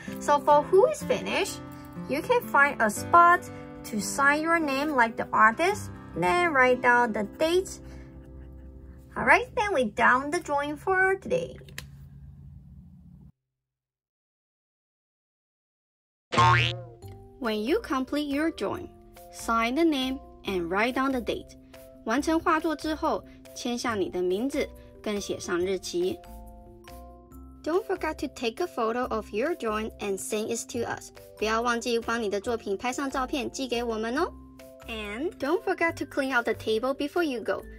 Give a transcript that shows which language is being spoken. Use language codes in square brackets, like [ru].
[en] So for who is finished, you can find a spot to sign your name like the artist, then write down the date. All right, then we're done the drawing for today. When you complete your drawing, sign the name and write down the date. [zh] 完成画作之后，签下你的名字，更写上日期。 [en] Don't forget to take a photo of your drawing and send it to us. [zh] 不要忘记帮你的作品拍上照片寄给我们哦。 [en] And don't forget to clean out the table before you go.